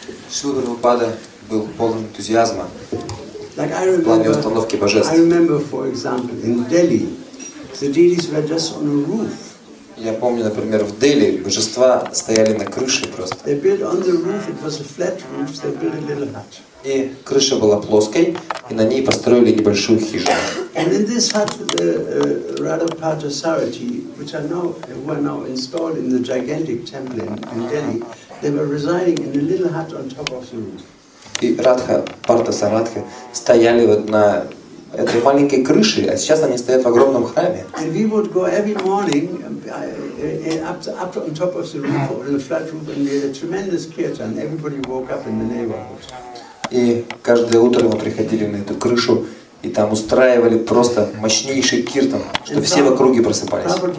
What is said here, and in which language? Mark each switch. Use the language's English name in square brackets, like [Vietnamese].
[Russian] Шрила Прабхупада был полон энтузиазма в плане установки божеств. [English] I remember, for example, in Delhi, the deities were just on a roof. [Russian] Я помню, например, в Дели божества стояли на крыше просто. [English] They built on the roof, it was a flat roof, so they built a little hut. [Russian] И крыша была плоской, и на ней построили небольшую хижину. [English] And in this hut, the Radhapada Sarathi, which are now, were now installed in the gigantic temple in Delhi, they were residing in a little hut on top of the roof. [Russian] И Радха, Парта Сарадхи, стояли вот на этой маленькой крыше, а сейчас они стоят в огромном храме. [English] And we would go every morning up on top of the roof, or in the flat roof, and we had a tremendous kirtan. Everybody woke up in the neighborhood. [Russian] И каждое утро мы приходили на эту крышу и там устраивали просто мощнейший киртан, что все в округе просыпались.